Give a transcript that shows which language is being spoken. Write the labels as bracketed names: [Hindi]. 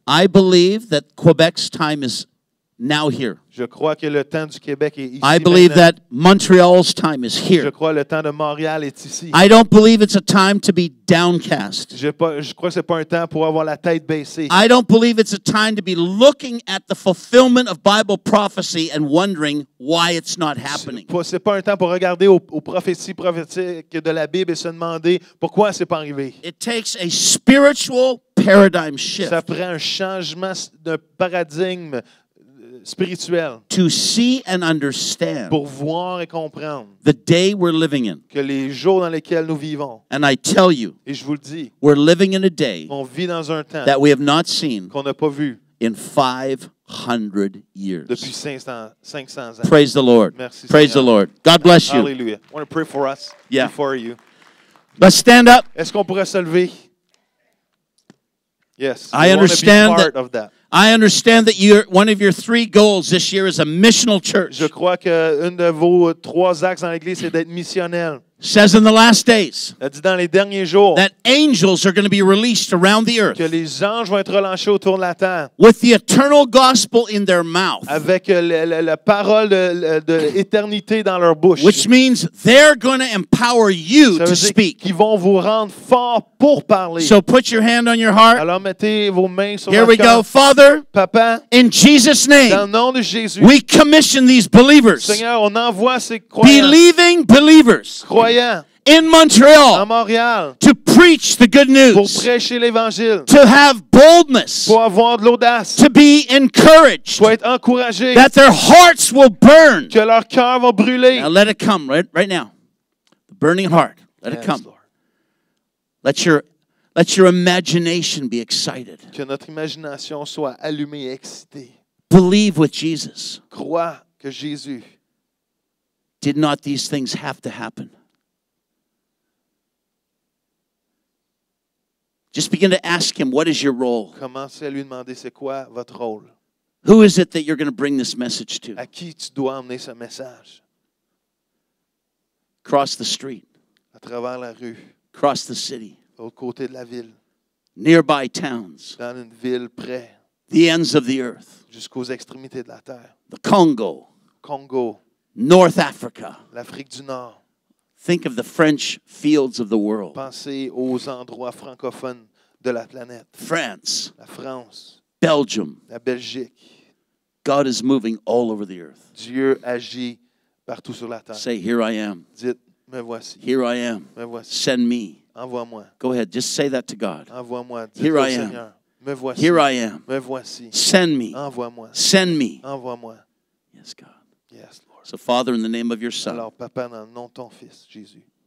[English] I believe that Quebec's time is now here. [French] Je crois que le temps du Québec est ici. [English] I believe [French] maintenant. [English] That Montreal's time is here. [French] Je crois le temps de Montréal est ici. [English] I don't believe it's a time to be downcast. [French] Je crois que c'est pas un temps pour avoir la tête baissée. [English] I don't believe it's a time to be looking at the fulfillment of Bible prophecy and wondering why it's not happening. [French] C'est pas un temps pour regarder aux prophéties prophétiques de la Bible et se demander pourquoi c'est pas arrivé. [English] It takes a spiritual paradigm shift. [French] Ça prend un changement de paradigme. Spirituel. [English] To see and understand [French] pour voir et comprendre [English] the day we're living in. [French] Que les jours dans lesquels nous vivons. [English] And I tell you, [French] et je vous le dis, [English] we're living in a day [French] on vit dans un temps [English] that we have not seen [French] qu'on n'a pas vu [English] in 500 years. [French] Depuis 500 ans. [English] Praise the Lord. [French] Merci, [English] praise [French] Seigneur. [English] The Lord. God bless you. Hallelujah. I want to pray for us, yeah. Before you. Let's stand up. [French] Est-ce qu'on pourrait se lever? [English] Yes. I understand part of that. I understand that one of your three goals this year is a missional church. [French] Je crois que un de vos trois axes dans l'église c'est d'être missionnel. [English] Says in the last days. [French] Dit dans les derniers jours. [English] That angels are going to be released around the earth. [French] Que les anges vont être relâchés autour de la terre. [English] With the eternal gospel in their mouth. [French] Avec la parole de l'éternité dans leur bouche. [English] Which means they're going to empower you to speak. [French] Ils vont vous rendre fort pour parler. [English] So put your hand on your heart. [French] Alors mettez vos mains sur votre cœur. [English] Here we go, Father. [French] Papa. [English] In Jesus' name. [French] Dans le nom de Jésus. [English] We commission these believers. [French] Seigneur, on envoie ces croyants. [English] Believing believers. [French] Croyants. [English] in Montreal, [French] à Montréal, [English] to preach the good news, [French] pour prêcher l'évangile, [English] to have boldness, [French] pour avoir de l'audace, [English] to be encouraged, [French] pour être encouragé, [English] that their hearts will burn, [French] que leur cœur va brûler. [English] Now let it come right now. The burning heart. Let it come. Let your imagination be excited. [French] Que notre imagination soit allumée et excitée. [English] Believe with Jesus. [French] Crois que Jésus. [English] Did not these things have to happen? Just begin to ask him, what is your role? [French] Commencez à lui demander, c'est quoi votre rôle? [English] Who is it that you're going to bring this message to? [French] À qui tu dois amener ce message? [English] Cross the street. [French] À travers la rue. [English] Cross the city. [French] Au côté de la ville. [English] Nearby towns. [French] Dans une ville près. [English] The ends of the earth. [French] Jusqu'aux extrémités de la terre. [English] The Congo. [French] Congo. [English] North Africa. [French] L'Afrique du Nord. [English] Think of the French fields of the world. [French] Pensez aux endroits francophones de la planète. [English] France. [French] La France. [English] Belgium. [French] La Belgique. [English] God is moving all over the earth. [French] Dieu agit partout sur la terre. [English] Say, here I am. [French] Dites, me voici. [English] Here I am. [French] Me voici. [English] Send me. [French] Envoie-moi. [English] Go ahead, just say that to God. [French] Envoie-moi. [English] Here I am. [French] Me voici. [English] Here I am. [French] Me voici. [English] Send me. [French] Envoie-moi. [English] Send me. [French] Envoie-moi. [English] Yes, God. Yes, Lord. So, Father, in the name of your Son. [French] Alors, Papa, dans le nom de ton Fils, Jésus.